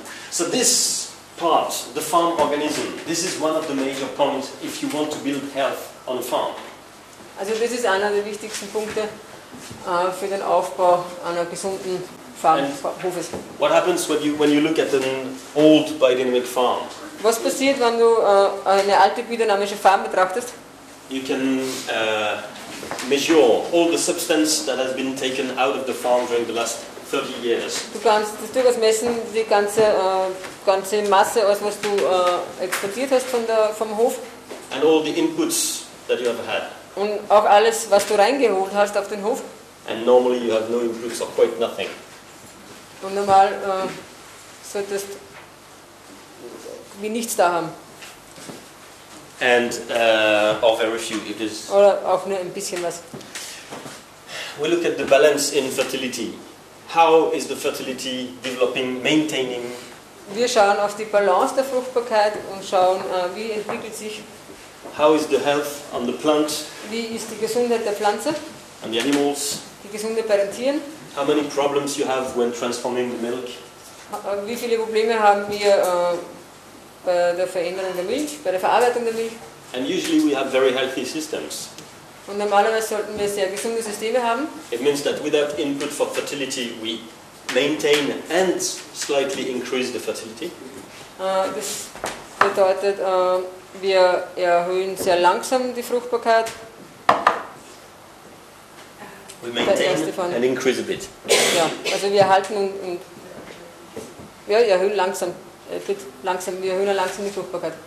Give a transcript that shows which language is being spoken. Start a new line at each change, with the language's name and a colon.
English: So this part, the farm organism, this is one of the major points if you want to build health on a farm.
German: Also
English: this is
German: einer der wichtigsten Punkte für den Aufbau einer gesunden Farmhofes.
English: What happens when you look at an old biodynamic farm?
German: Was passiert, wenn du eine alte biodynamische Farm betrachtest?
English: You can measure all the substance that has been taken out of the farm during the last 30 years.
German: Du kannst durchaus messen, die ganze Masse, aus was du exportiert hast vom Hof.
English: And all the inputs that you have had.
German: Und auch alles, was du reingeholt hast auf den Hof.
English: And normally you have no inputs or quite nothing.
German: Und normal solltest du wie nichts da haben.
English: And or very few, it is.
German: Oder auch nur ein bisschen was.
English: We look at the balance in fertility. How is the fertility developing, maintaining?
German: Wir schauen auf die Balance der Fruchtbarkeit und schauen, wie entwickelt sich.
English: How is the health on the plant?
German: Wie ist die Gesundheit der Pflanze?
English: And the animals?
German: Die Gesundheit bei den Tieren?
English: How many problems you have when transforming the milk?
German: Wie viele Probleme haben wir bei der Veränderung der Milch, bei der Verarbeitung der Milch?
English: And usually we have very healthy systems.
German: Und normalerweise sollten wir sehr gesunde Systeme haben.
English: It means that without input for fertility, we maintain and slightly increase the fertility.
German: Das bedeutet, wir erhöhen sehr langsam die Fruchtbarkeit.
English: We maintain and increase a bit.
German: Ja, also wir erhalten und wir erhöhen langsam, wir erhöhen langsam die Fruchtbarkeit.